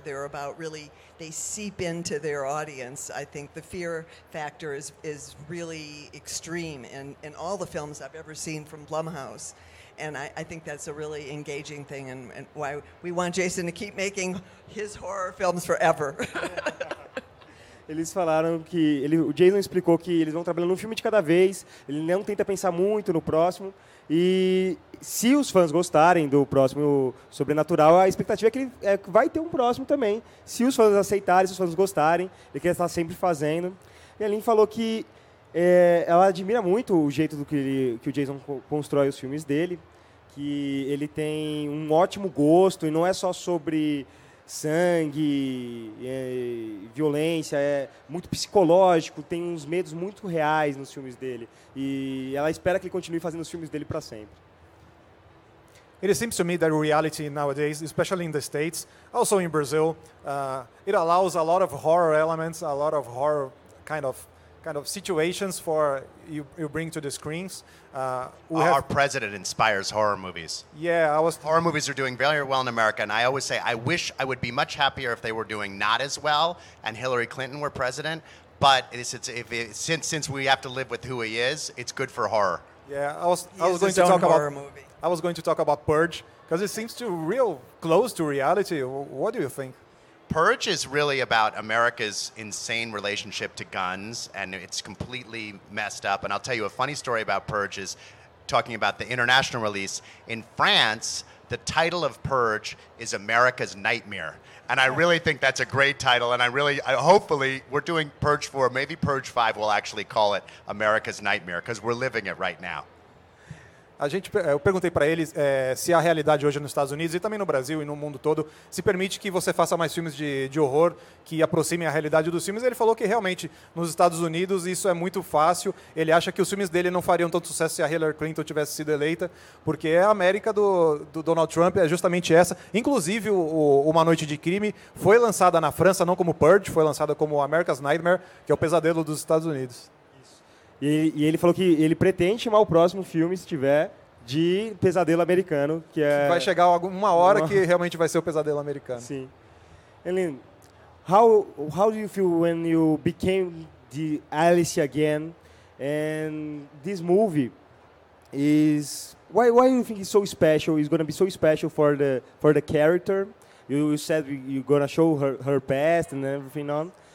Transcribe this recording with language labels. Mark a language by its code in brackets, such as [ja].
[en] They're about really, they seep into their audience. I think the fear factor is really extreme in all the films I've ever seen from Blumhouse. And I think that's a really engaging thing and why we want Jason to keep making his horror films forever. [pt] Eles falaram que... O Jason explicou que eles vão trabalhando um filme de cada vez. Ele não tenta pensar muito no próximo. E se os fãs gostarem do próximo Sobrenatural, a expectativa é que ele vai ter um próximo também. Se os fãs aceitarem, se os fãs gostarem, ele quer estar sempre fazendo. E a Lynn falou que ela admira muito o jeito que o Jason constrói os filmes dele. Que ele tem um ótimo gosto e não é só sobre... sangue, violência, é muito psicológico, tem uns medos muito reais nos filmes dele. E ela espera que ele continue fazendo os filmes dele para sempre. [en] It seems to me that reality nowadays, especially in the States, also in Brazil, it allows a lot of horror elements, a lot of horror kind of situations for you bring to the screens. Our president inspires horror movies. Yeah, horror movies are doing very well in America, and I always say I wish I would be much happier if they were doing not as well and Hillary Clinton were president, but since we have to live with who he is, it's good for horror. Yeah, I was going to talk about Purge because it seems to real close to reality. What do you think? Purge is really about America's insane relationship to guns, and it's completely messed up. And I'll tell you a funny story about Purge is talking about the international release. In France, the title of Purge is America's Nightmare. And I really think that's a great title, and hopefully we're doing Purge 4. Maybe Purge 5 will actually call it America's Nightmare because we're living it right now. [pt] Eu perguntei para eles se a realidade hoje nos Estados Unidos e também no Brasil e no mundo todo se permite que você faça mais filmes de horror que aproximem a realidade dos filmes. Ele falou que realmente nos Estados Unidos isso é muito fácil. Ele acha que os filmes dele não fariam tanto sucesso se a Hillary Clinton tivesse sido eleita, porque a América do Donald Trump é justamente essa. Inclusive o Uma Noite de Crime foi lançada na França, não como Purge, foi lançada como America's Nightmare, que é o pesadelo dos Estados Unidos. E ele falou que ele pretende chamar o próximo filme, se tiver, de Pesadelo Americano, que é... Vai chegar uma hora que realmente vai ser o Pesadelo Americano. Sim. [en] Lynn, how do you feel when you became the Alice again? And this movie is... Why do you think it's so special? It's going to be so special for the character? You said you're going to show her past and everything on.